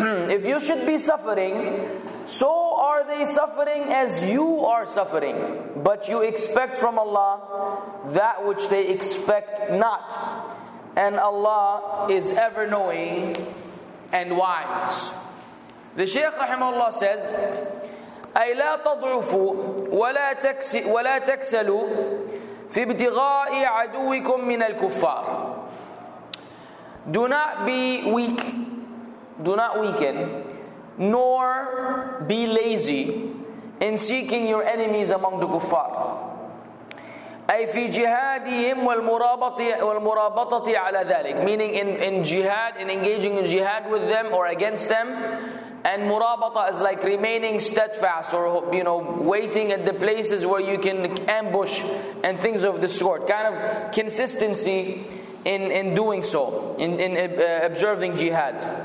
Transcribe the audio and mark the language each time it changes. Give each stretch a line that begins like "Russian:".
English: If you should be suffering, so are they suffering as you are suffering. But you expect from Allah that which they expect not. And Allah is ever knowing and wise. The Shaykh rahimahullah says,
Arabic: أي لا تضعفوا ولا تكسلوا في ابتغاء عدوكم من الكفار.
English: Do not be weak, do not weaken, nor be lazy in seeking your enemies among the kuffar.
Arabic: أي في جهادهم والمرابطة على ذلك.
English: Meaning in jihad, in engaging in jihad with them or against them. And murabata is like remaining steadfast or, you know, waiting at the places where you can ambush and things of this sort. Kind of consistency. In doing so, in observing jihad.